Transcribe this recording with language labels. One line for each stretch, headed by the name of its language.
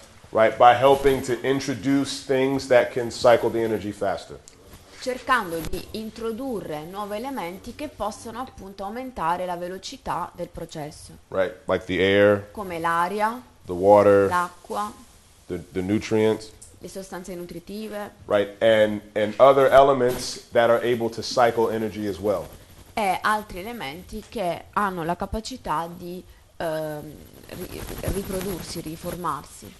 English: Right, by helping to introduce things that can cycle the energy faster.
Italian: Cercando di introdurre nuovi elementi che possono appunto aumentare la velocità del processo.
English: Right, like the air.
Italian: Come l'aria.
English: The water.
Italian: L'acqua.
English: The nutrients.
Italian: Le sostanze nutritive.
English: Right, and other elements that are able to cycle energy as well.
Italian: E altri elementi che hanno la capacità di riprodursi, riformarsi.